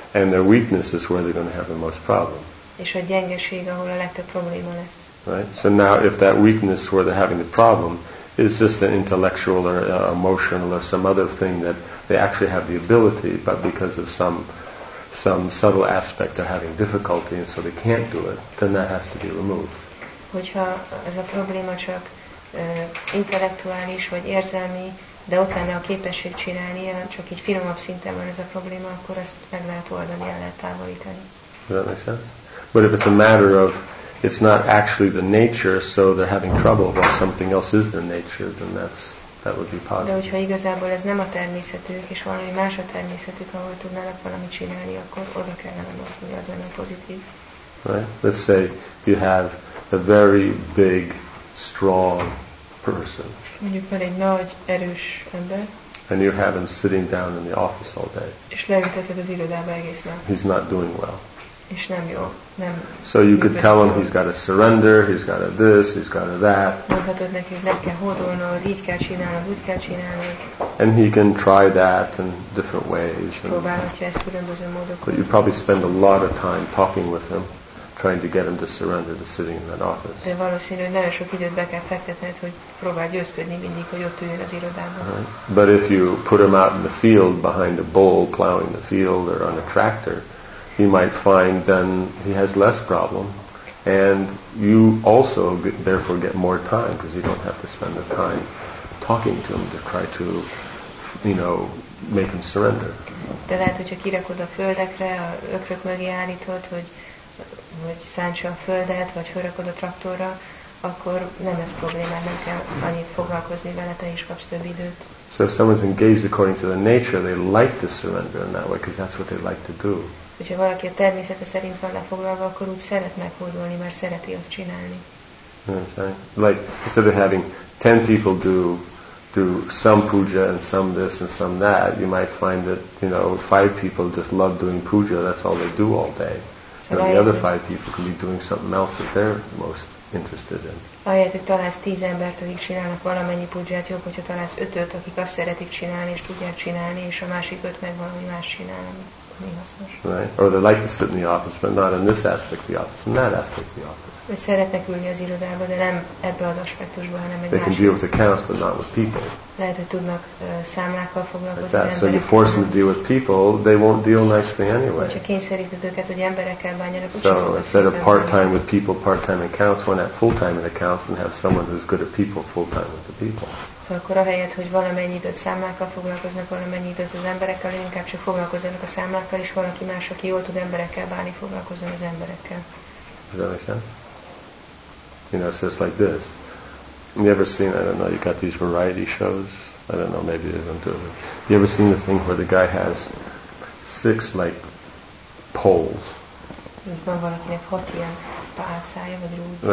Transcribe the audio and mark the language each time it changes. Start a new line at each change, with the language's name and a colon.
English: And their weakness is where they're going to have the most problem. Right? So now if that weakness where they're having the problem, it's just an intellectual or emotional or some other thing that they actually have the ability, but because of some subtle aspect they're having difficulty and so they can't do it, then that has to be removed.
Hungarian: Hogyha ez a probléma csak intellektuális vagy érzelmi, de ott lenne a képesség csinálni, csak így finomabb szinten van ez a probléma, akkor ezt meg lehet oldani, el lehet távolítani.
English: Does that make sense? But if it's a matter of it's not actually the nature, so they're having trouble, but something else is their nature, then that would be positive.
Hungarian: De hogyha igazából ez nem a természetük, és valami más a természetük, ahol tudnának valamit csinálni, akkor oda kellene mozdulni, az lenne pozitív.
English: Right? Let's say you have a very big, strong person.
Hungarian: Mondjuk van egy nagy, erős ember.
English: And you have him sitting down in the office all day.
Hungarian: És leülteted az irodába egész nap.
English: He's not doing well.
Hungarian: És nem jó. Nem.
English: So you could tell him he's got to surrender, he's got to this, he's got to that.
Hungarian: Mondhatod neki, hogy meg kell hódolnod, így kell csinálnod, úgy kell csinálnod.
English: And he can try that in different ways.
Hungarian: Próbálhatja ezt különböző módokon.
English: But you probably spend a lot of time talking with him, trying to get him to surrender to sitting in that office.
Hungarian: De valószínű, hogy nagyon sok időt be kell fektetned, hogy próbáld győzködni mindig, hogy ott üljön az irodában.
English: Right. But if you put him out in the field behind a bull plowing the field or on a tractor, he might find then he has less problem, and you also therefore get more time because you don't have to spend the time talking to him to try to, you know, make him surrender.
Hungarian: De lehet, hogyha kirakod a földekre, a ökrök mögé állítod, hogy szántsa a földet, vagy felrakod a traktorra, akkor nem ez probléma, nem kell annyit foglalkozni vele, te is kapsz több időt.
English: So if someone's engaged according to their nature, they like to surrender in that way because that's what they like to do.
Hungarian: Hogyha valaki a természete szerint van lefoglalva, akkor úgy szeret meghódolni, mert szereti azt csinálni.
English: Like, instead of having 10 people do some puja and some this and some that, you might find that, you know, 5 people just love doing puja, that's all they do all day. And the other 5 people can be doing something else that they're most interested in.
Hungarian: Ahelyett, hogy találsz 10 embert, akik csinálnak valamennyi pujját, jobb, hogyha találsz 5-öt, akik azt szeretik csinálni, és tudják csinálni, és a másik 5 meg valami más csinálni.
English: Right? Or they like to sit in the office, but not in this aspect of the office, in that aspect of the office. They can deal with accounts, but not with people. So you force them to deal with people, they won't deal nicely anyway. So instead of part-time with people, part-time accounts, why not full-time in accounts and have someone who's good at people full-time with the people?
Hungarian: Akkor ahelyett, hogy valamennyi időt számlákkal foglalkoznak, valamennyi időt az emberekkel, inkább csak foglalkozzanak a számlákkal, és valaki más, aki jól tud emberekkel bánni, foglalkozzon az emberekkel.
English: Does that make sense? You know, it's just like this. You ever seen, I don't know, you got these variety shows? I don't know, maybe they don't do it. You ever seen the thing where the guy has six, like, poles?
Hungarian: És van valakinek hat ilyen pálcája, vagy rúd.